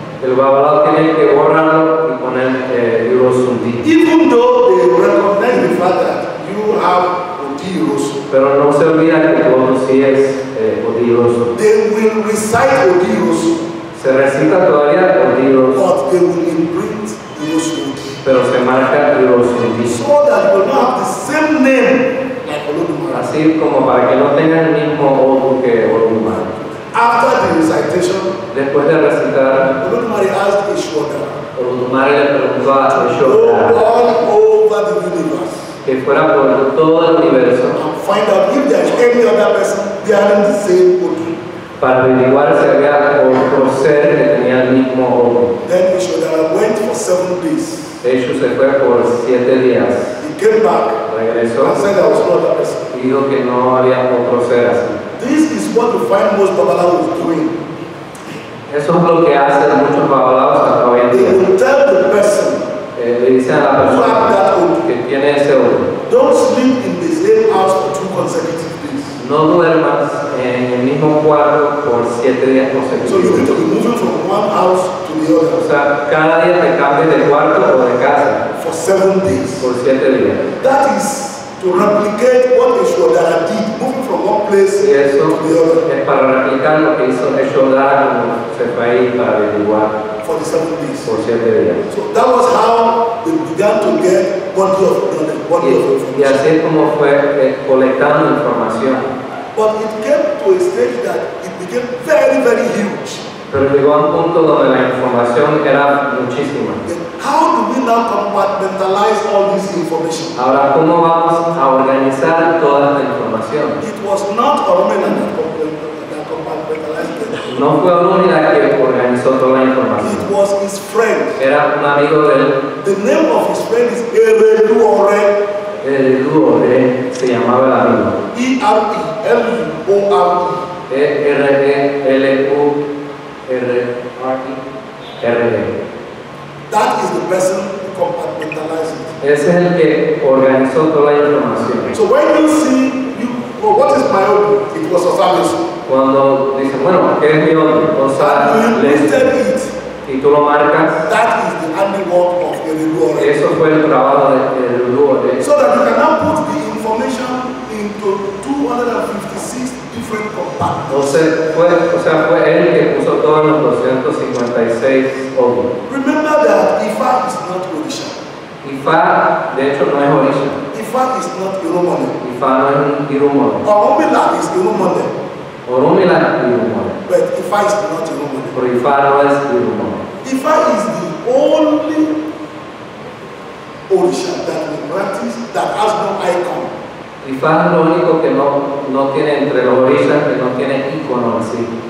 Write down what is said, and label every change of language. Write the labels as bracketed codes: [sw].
[es] El babalawo tiene que borrarlo y poner irosundi. [en] Even though they recognize the fact that you have odi iroso, [es] pero no se olvida que todo si es odi iroso. [en] They will recite odi iroso. [es] Se recita todavía odi iroso. [en] But they will imprint. [es] Pero se marca Irosundi. [en] So that you will not have the same name like Olodumare. [es] Así como para que no tenga el mismo Odu que Olodumare. [en] After the recitation, [es] después de recitar, [en] Olodumare asked Ishwodara. [es] Olodumare le preguntó a Ishwodara. [en] Go all over the universe. [es] Que fuera por todo el universo. [en] And find out if there is any other person bearing the same Odu. [es] Para averiguar si había otro ser que tenía el mismo Odu. [en] Then Ishwodara went for 7 days. [es] Eso se fue por 7 días. [en] He came back. [es] Regresó. [en] And said there was no other person. [es] Dijo que no había otro ser así. [en] This is what you find most babalawos doing. [es] Eso es lo que hacen muchos babalawos hasta hoy en día. [en] They will tell the person. [es] Le dicen a la persona [en] that [es] que tiene ese otro. [en] Don't sleep in the same house for 2 consecutive days. [es] No duermas en el mismo cuarto por 7 días consecutivos. [en] So you need to be moving from one house. [es] O sea, cada día te cambias de cuarto o de casa. [en] For 7 days. [es] Por 7 días. [en] That is to replicate what Ishwodara did, moving from one place to the other. [es] Es para replicar lo que hizo Ishwodara cuando se fue ahí para averiguar. [en] For the 7 days. [es] Por 7 días. [en] So that was how they began to get body of knowledge. [es] Y así es como fue colectando información. [en] But it came to a stage that it became very, very huge. [es] Pero llegó a un punto donde la información era muchísima. [en] How do we now compartmentalize all this information? [es] Ahora, ¿cómo vamos a organizar toda esta información? [en] It was not Orumila that compartmentalized it. [es] No fue Orumila que organizó toda la información. [en] It was his friend. [es] Era un amigo de él. [en] The name of his friend is Ereluore. [es] Ereluore se llamaba el amigo. [en] E-R-E-L-U-O-R-E. E-R-E-L-U-R-E. That is the person who compartmentalized it. [es] Ese es el que organizó toda la información. [en] So when you see, well, what is my own? It was Osamisu. [es] Cuando dice, bueno, ¿qué es mi otro? [en] Osamisu. It. [es] Y tú lo marcas. [en] That is the handiwork of Ereluore. [es] Eso fue el trabajo de Ereluore. [en] So that you can now put the information into 256 different compartments. [es] O sea, fue él que puso todos los 256 ojos. [en] Remember that Ifa is not Orisha. [es] Ifa, de hecho, no es Orisha. [en] Ifa is not Irumone. [es] Ifa no es Irumone. [en] Orumila is Irumone. Orumila is Irumone. But Ifa is not Irumone. [es] Pero Ifa no es Irumone. [en] Ifa is the only Orisha that we practice that has no icon. [es] Ifa es lo único que no tiene entre los orishas, que no tiene icono así.